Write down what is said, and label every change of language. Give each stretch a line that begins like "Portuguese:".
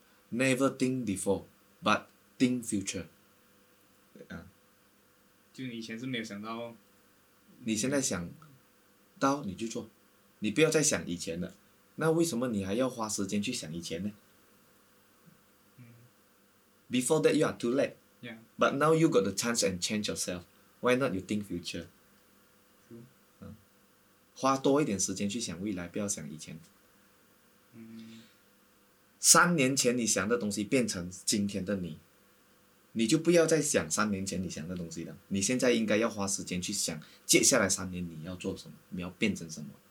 English: Never think before, but think future.
Chinese: 就你以前是没有想到。你现在想到你就做，你不要再想以前了。那为什么你还要花时间去想以前呢？
English: Before that you are too late. Yeah. But now you got the chance and change yourself. Why not you think future?
Chinese: 花多一点时间去想未来，不要想以前。三年前你想的东西变成今天的你，你就不要再想三年前你想的东西了。你现在应该要花时间去想接下来三年你要做什么，你要变成什么。